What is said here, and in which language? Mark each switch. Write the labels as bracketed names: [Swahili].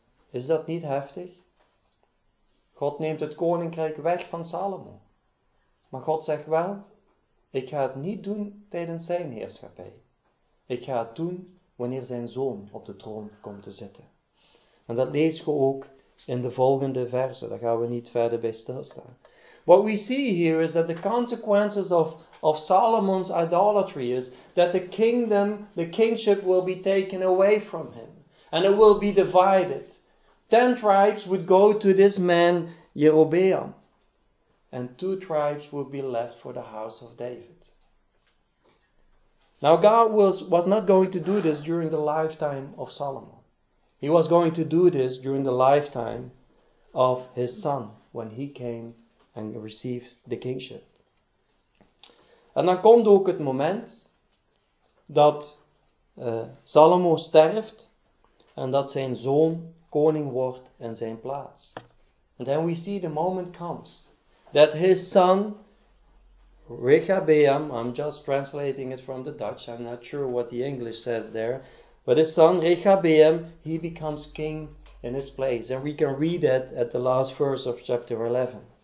[Dutch] Is dat niet heftig? God neemt het koninkrijk weg van Salomo. Maar God zegt wel, ik ga het niet doen tijdens zijn heerschappij. Ik ga het doen wanneer zijn zoon op de troon komt te zitten. En dat lees je ook in de volgende verse. Daar gaan we niet verder bij stilstaan. [English] What we see here is that the consequences of Solomon's idolatry is that the kingdom, the kingship will be taken away from him. And it will be divided. 10 tribes would go to this man, Jeroboam. And 2 tribes would be left for the house of David. Now God was not going to do this during the lifetime of Solomon. He was going to do this during the lifetime of his son. When he came and received the kingship. [Dutch] En dan komt ook het moment dat Salomo sterft. En dat zijn zoon koning wordt in zijn plaats. [English] And then we see the moment comes. That his son, Rehoboam, I'm just translating it from the Dutch, I'm not sure what the English says there. But his son, Rehoboam, he becomes king in his place. And we can read that at the last verse of chapter 11.